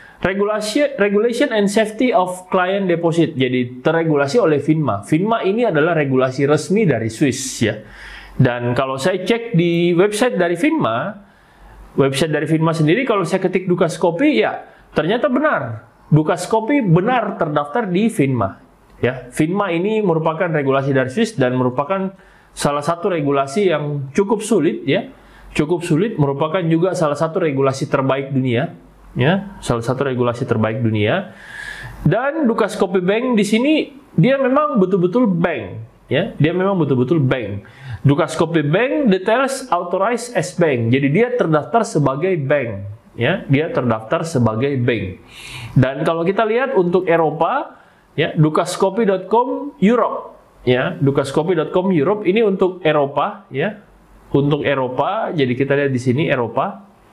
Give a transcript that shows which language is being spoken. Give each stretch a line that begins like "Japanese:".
English: Regulation and Safety of Client Deposit.
Indonesian: Jadi terregulasi oleh FINMA. FINMA ini adalah regulasi resmi dari Swiss ya. Dan kalau saya cek di website dari FINMA, website dari FINMA sendiri, kalau saya ketik Dukas Kopi, ya ternyata benar. Dukas Kopi benar terdaftar di FINMA. Ya, FINMA ini merupakan regulasi dari Swiss dan merupakan salah satu regulasi yang cukup sulit ya. Cukup sulit, merupakan juga salah satu regulasi terbaik dunia. Ya, salah satu regulasi terbaik dunia. Dan Dukas Kopi Bank di sini dia memang betul-betul bank, ya. Dia memang betul-betul bank.
English: Dukas Kopi Bank details authorized as bank.
Indonesian: Jadi dia terdaftar sebagai bank, ya. Dia terdaftar sebagai bank. Dan kalau kita lihat untuk Eropa, ya, dukaskopi.com Europe, ya. Dukaskopi.com Europe ini untuk Eropa, ya. Untuk Eropa, jadi kita lihat di sini Eropa.